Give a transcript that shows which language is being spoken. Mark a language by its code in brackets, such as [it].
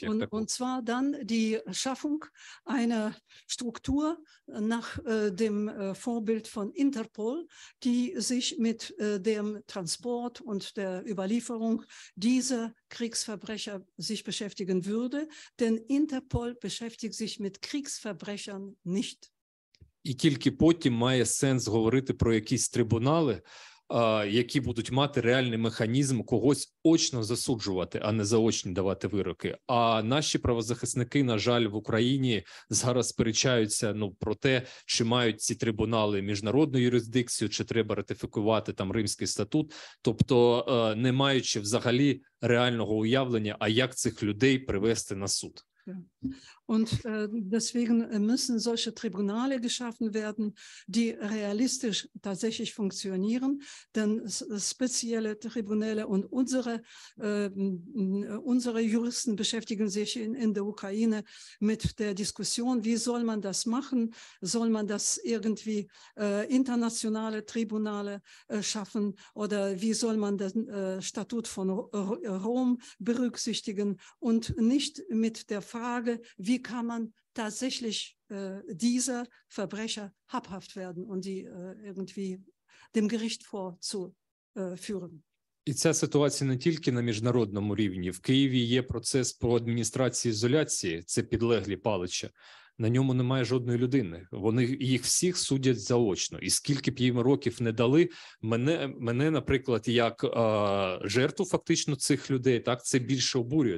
[uk] Як таку. [de] Und zwar dann die Schaffung einer Struktur nach dem Vorbild von Interpol, die sich mit dem Transport und der Überlieferung dieser Kriegsverbrecher sich beschäftigen würde, denn Interpol beschäftigt sich mit Kriegsverbrechern nicht. [uk] І тільки потім має сенс говорити про якісь трибунали, які будуть мати реальний механізм когось очно засуджувати, а не заочно давати вироки. А наші правозахисники, на жаль, в Україні зараз сперечаються, ну, про те, чи мають ці трибунали міжнародну юрисдикцію, чи треба ратифікувати там Римський статут, тобто не маючи взагалі реального уявлення, а як цих людей привести на суд. [de] Und deswegen müssen solche Tribunale geschaffen werden, die realistisch tatsächlich funktionieren. Denn spezielle Tribunale und unsere Juristen beschäftigen sich in der Ukraine mit der Diskussion, wie soll man das machen? Soll man das irgendwie internationale Tribunale schaffen? Oder wie soll man den Statut von Rom berücksichtigen? Und nicht mit der Frage, wie kann man tatsächlich diese Verbrecher habhaft werden und die irgendwie dem Gericht vorzuführen. [uk] І ця ситуація не тільки на міжнародному рівні. В Києві є процес про адміністрацію ізоляції, це підлеглі Палича. На ньому немає жодної людини. Вони їх всіх судять заочно. І скільки б їм років не дали, мене наприклад, як жертву фактично цих людей, так це більше обурює.